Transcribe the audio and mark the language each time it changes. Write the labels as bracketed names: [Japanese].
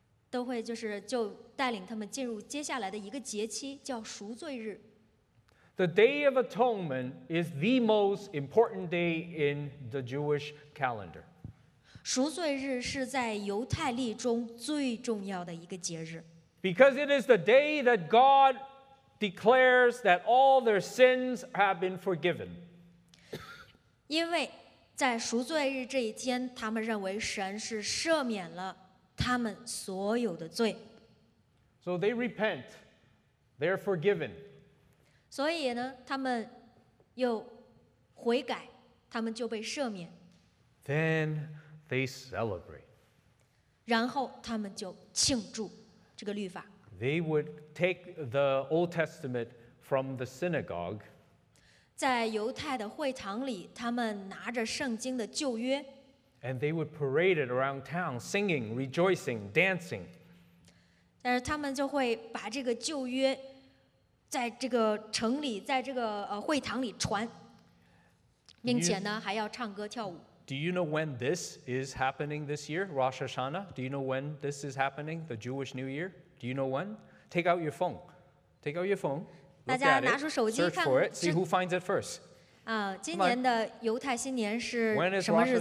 [Chinese] 都会就是就带领他们进入接下来的一个节期，叫赎罪日。 [English] The Day of Atonement is the most important day in the Jewish calendar. [Chinese] 赎罪日是在犹太历中最重要的一个节日。 [English] Because it is the day that God declares that all their sins have been forgiven. [Chinese] 因为在赎罪日这一天，他们认为神是赦免了他们所有的罪。 [English] So they repent, they're forgiven. [Chinese] 所以呢，他们又悔改，他们就被赦免。 [English] Then they celebrate. [Chinese] 然后他们就庆祝这个律法。 [English] They would take the Old Testament from the synagogue. [Chinese] 在犹太的会堂里，他们拿着圣经的旧约。 [English] And they would parade it around town, singing, rejoicing, dancing. [Chinese] 但是他们就会把这个旧约在这个城里，在这个会堂里传，并且呢还要唱歌跳舞。 [English] Do you know when this is happening this year, Rosh Hashanah? Do you know when this is happening, the Jewish New Year? Do you know when? Take out your phone. Take out your phone. [Chinese] 大家拿出手机看 [English] it, see who finds it first. [Chinese] 今年的犹太新年是什么日子